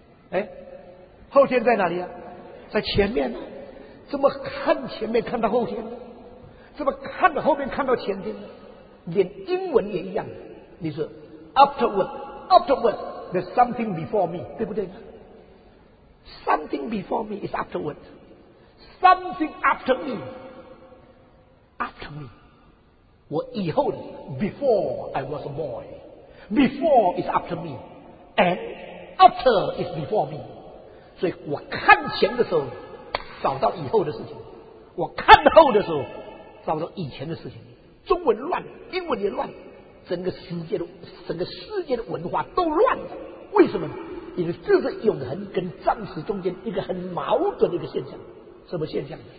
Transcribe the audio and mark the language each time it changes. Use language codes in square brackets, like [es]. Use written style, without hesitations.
[zh] 哎，后天在哪里啊？在前面啊。怎么看前面看到后天呢？怎么看到后面看到前天呢？连英文也一样，你说 [en] afterward there's something before me， [zh] 对不对？ [en] Something before me is afterward， something after me， after me， [zh] 我以后的 [en] before I was a boy， before is after me， and after is before me。 [zh] 所以我看前的时候找到以后的事情，我看后的时候找到以前的事情。中文乱，英文也乱，整个世界的文化都乱了。为什么？因为这是永恒跟暂时中间一个很矛盾的一个现象。什么现象？